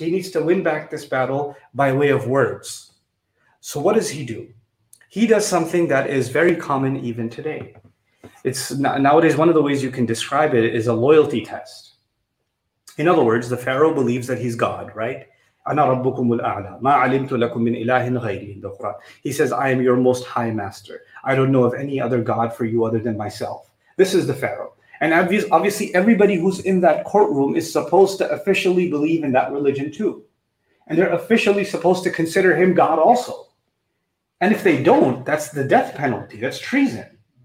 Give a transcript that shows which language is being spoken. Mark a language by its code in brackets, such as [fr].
[en] He needs to win back this battle by way of words. So what does he do? He does something that is very common even today. It's nowadays, one of the ways you can describe it is a loyalty test. In other words, the Pharaoh believes that he's God, right? [ar] أَنَا رَبُّكُمُ الْأَعْلَى مَا عَلِمْتُ لَكُمْ مِنْ إِلَٰهٍ غَيْرِي [en] in the Quran. He says, I am your most high master. I don't know of any other God for you other than myself. This is the Pharaoh. And obviously, everybody who's in that courtroom is supposed to officially believe in that religion too. And they're officially supposed to consider him God also. And if they don't, that's the death penalty. That's treason.